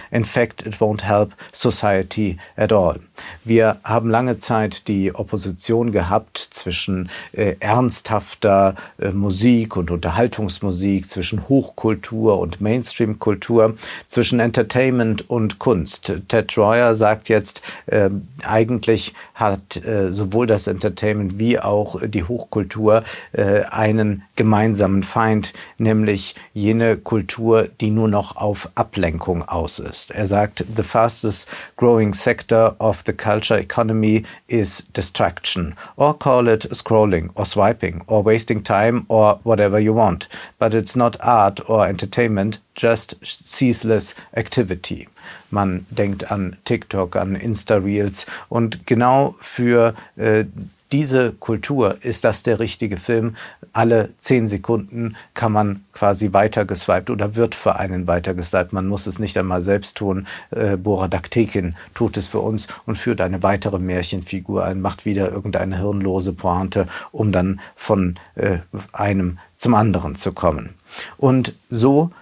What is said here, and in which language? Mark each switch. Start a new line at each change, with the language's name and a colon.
English: In fact, it won't help society at all."
German: Wir haben lange Zeit die Opposition gehabt zwischen ernsthafter Musik und Unterhaltungsmusik, zwischen Hochkultur und Mainstream-Kultur, zwischen Entertainment und Kunst. Ted Dreyer sagt jetzt, eigentlich hat sowohl das Entertainment wie auch die Hochkultur einen gemeinsamen Feind, nämlich jene Kultur, die nur noch auf Ablenkung aus ist. Er sagt,
English: "The fastest growing sector of the culture economy is distraction. Or call it scrolling or swiping or wasting time or whatever you want. But it's not art or entertainment, just ceaseless activity."
German: Man denkt an TikTok, an Insta-Reels. Und genau für diese Kultur ist das der richtige Film. Alle 10 Sekunden kann man quasi weitergeswiped oder wird für einen weitergeswiped. Man muss es nicht einmal selbst tun. Bora Daktekin tut es für uns und führt eine weitere Märchenfigur ein, macht wieder irgendeine hirnlose Pointe, um dann von einem zum anderen zu kommen. Und so